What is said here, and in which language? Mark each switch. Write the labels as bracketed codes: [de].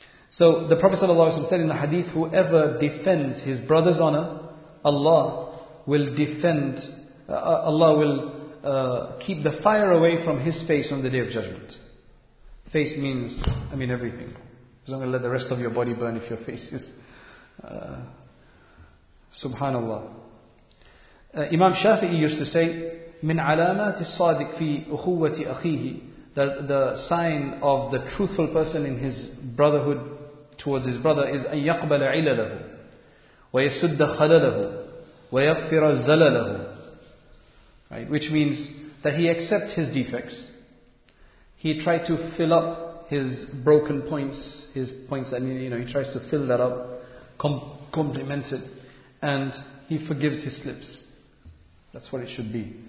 [en] So the Prophet sallallahu alayhi wa sallam said in the hadith, whoever defends his brother's honor, Allah will defend, Allah will keep the fire away from his face on the day of judgment. Face means, I mean everything. He's not going to let the rest of your body burn if your face is... SubhanAllah. Imam Shafi'i used to say, [ar] مِنْ عَلَامَاتِ الصَّادِقِ فِي أُخُوَّةِ أَخِيهِ. [en] The sign of the truthful person in his brotherhood towards his brother is [ar] أَنْ يَقْبَلَ عِلَلَهُ وَيَسُدَّ خَلَلَهُ وَيَغْفِرَ زَلَلَهُ. [en] Right? Which means that he accepts his defects. He tried to fill up his broken points, his points that, you know, he tries to fill that up, compliment it, and he forgives his slips. That's what it should be.